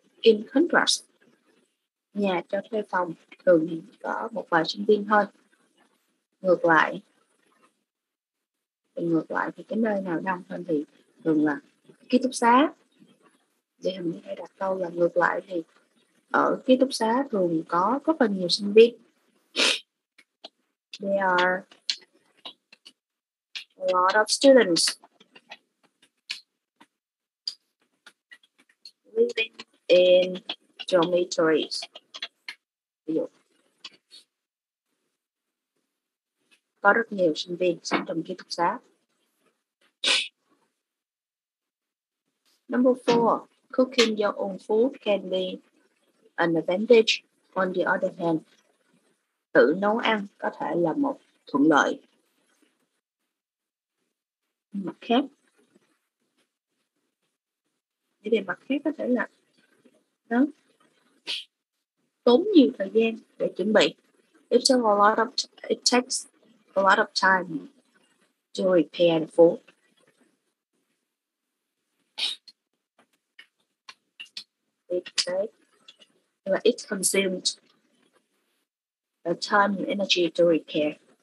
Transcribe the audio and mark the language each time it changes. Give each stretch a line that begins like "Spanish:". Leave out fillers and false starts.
English: In contrast,
Vietnamese: nhà cho thuê phòng thường có một vài sinh viên thôi. Ngược lại thì cái nơi nào đông hơn thì thường là ký túc xá. Để mình hay đặt câu là ngược lại thì ở ký túc xá thường có rất là nhiều sinh viên.
English: There are a lot of students living in dormitories.
Vietnamese: Ví dụ, có rất nhiều sinh viên sống trong ký túc xá.
English: Number four, cooking your own food can be an advantage. On the other hand,
Vietnamese: tự nấu ăn có thể là một thuận lợi. Mặt khác, để mặt khác có thể là đó, tốn nhiều thời gian để chuẩn bị.
English: It takes a lot of time to prepare the food. It consumes the time and energy to prepare.